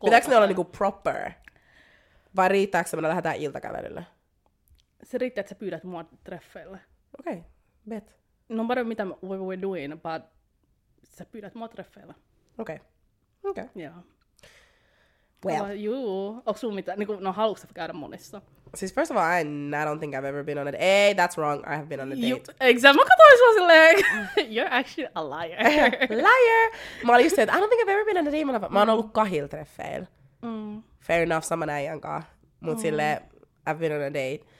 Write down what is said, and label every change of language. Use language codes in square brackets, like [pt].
[fi] Pitääks ne olla niinku proper? Vai riittääks, että me lähdetään iltakävelylle? Se riittää, että sä pyydät mua treffeille. [en] Okei, okay. Bet. No matter [fi] mitä [en] we were doing, but [fi] sä pyydät mua treffeille. Okei. Joo. [en] Well. [fi] Juu. Onks sun mitään? Niinku, no haluuks sä käydä monissa? [en] Siis first of all, I don't think I've ever been on a date. Hey, that's wrong. I have been on a date. Exactly. [fi] Mä katsoin sua silleen. [en] You're actually a liar. Liar! [fi] Mä olin [en] just saying, I don't think I've ever been on a date. [fi] Mä oon ollut 2 treffeillä. [en] Fair enough, [fi] sama näijankaan. Mut silleen, [en] I've been on a date.